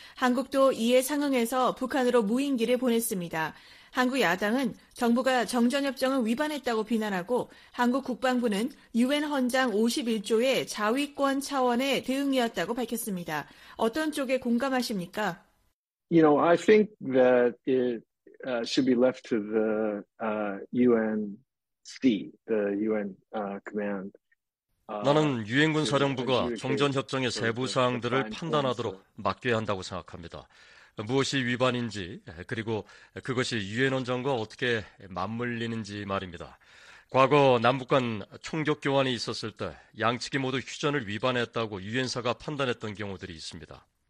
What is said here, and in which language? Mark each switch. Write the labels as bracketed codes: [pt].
[ko] 한국도 이에 상응해서 북한으로 무인기를 보냈습니다. 한국 야당은 정부가 정전협정을 위반했다고 비난하고 한국 국방부는 유엔 헌장 51조의 자위권 차원의 대응이었다고 밝혔습니다. 어떤 쪽에 공감하십니까? [en] You know, I think that it should be left to the UNC, the UN command. [ko] 나는 유엔군 사령부가 정전협정의 세부 사항들을 판단하도록 맡겨야 한다고 생각합니다. 무엇이 위반인지 그리고 그것이 유엔 헌장과 어떻게 맞물리는지 말입니다. 과거 남북 간 총격 교환이 있었을 때 양측이 모두 휴전을 위반했다고 유엔사가 판단했던 경우들이 있습니다.